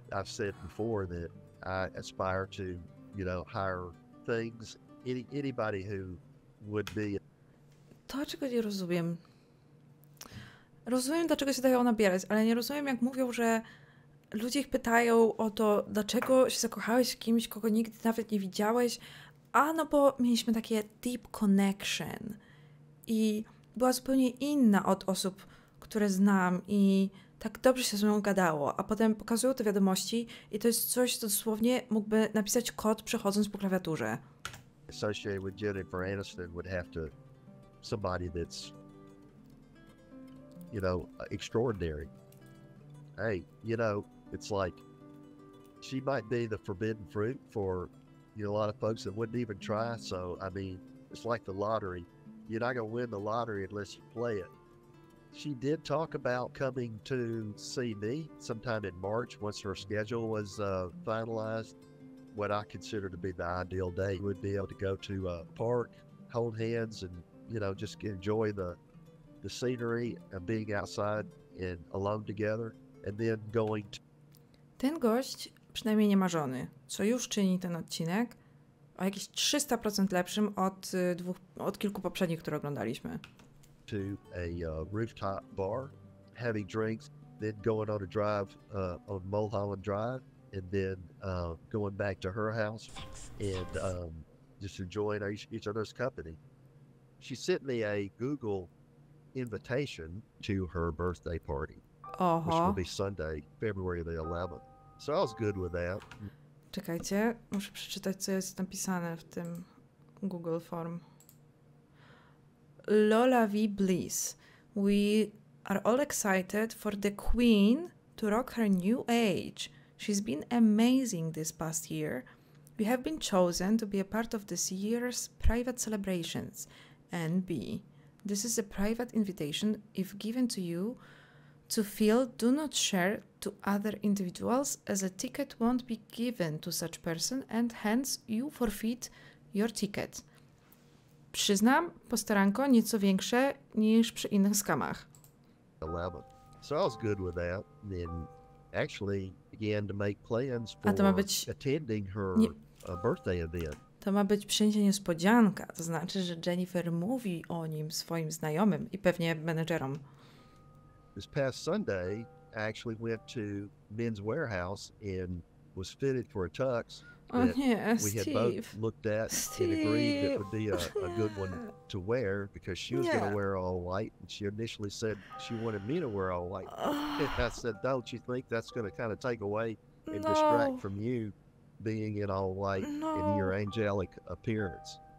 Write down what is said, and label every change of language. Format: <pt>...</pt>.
<en>I've said before that I aspire to, you know, higher things. Anybody who would be.</en> <pl>To, czego nie rozumiem. Rozumiem, dlaczego się dają nabierać, ale nie rozumiem, jak mówią, że ludzie ich pytają o to, dlaczego się zakochałeś w kimś, kogo nigdy nawet nie widziałeś. A no bo mieliśmy takie</pl> <en>deep connection</en> <pl>i była zupełnie inna od osób, które znam i tak dobrze się z nią gadało, a potem pokazują te wiadomości i to jest coś, co dosłownie mógłby napisać kod przechodząc po klawiaturze.</pl> <en>Associated with Jennifer Aniston would have to somebody that's, you know, extraordinary. Hey, you know, it's like she might be the forbidden fruit for, you know, a lot of folks that wouldn't even try. So, I mean, it's like the lottery. You're not gonna win the lottery unless you play it. She did talk about coming to see me sometime in March once her schedule was finalized. What I consider to be the ideal day would be able to go to a park, hold hands, and, you know, just enjoy the scenery of being outside and alone together, and then going to...</en> <pl>Ten gość przynajmniej nie ma żony, co już czyni ten odcinek o jakieś 300% lepszym od kilku poprzednich, które oglądaliśmy.</pl> <en>To a rooftop bar, having drinks, then going on a drive on Mulholland Drive, and then going back to her house and just enjoying each other's company. She sent me a Google invitation to her birthday party, uh-huh, which will be Sunday, February the 11th. So I was good with that.</en> <pl>Czekajcie, muszę przeczytać, co jest napisane w tym Google form.</pl> <en>Lola V. Bliss, we are all excited for the queen to rock her new age. She's been amazing this past year. We have been chosen to be a part of this year's private celebrations. N.B. This is a private invitation. If given to you, to feel, do not share to other individuals, as a ticket won't be given to such person and hence you forfeit your ticket.</en> <pl>Przyznam, postaranko nieco większe niż przy innych skamach.</pl> <en>11. So I was good with that. Then actually began to make plans for attending her birthday event.</en> <pl>To ma być przyjęcie niespodzianka. To znaczy, że Jennifer mówi o nim swoim znajomym i pewnie menedżerom.</pl> <en>This past Sunday, I actually went to Men's Warehouse and was fitted for a tux. We had both looked at and agreed that would be a good one to wear because she was going to wear all white. And she initially said she wanted me to wear all white. And I said, don't you think that's going to kind of take away and distract from you being in all white in your angelic appearance?</en>